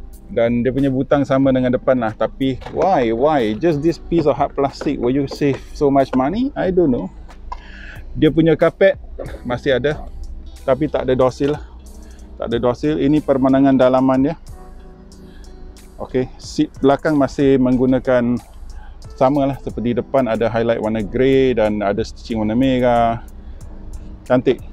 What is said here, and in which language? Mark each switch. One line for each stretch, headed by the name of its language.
Malay: Dan dia punya butang sama dengan depan lah. Tapi why?
English: Just this piece of hard plastic. Will you save so much money? I don't know.
Malay: Dia punya carpet masih ada. Tapi tak ada door seal. tak ada door sill. Ini permandangan dalaman dia. Okey, seat belakang masih menggunakan sama lah seperti depan, ada highlight warna grey dan ada stitching warna merah. Cantik.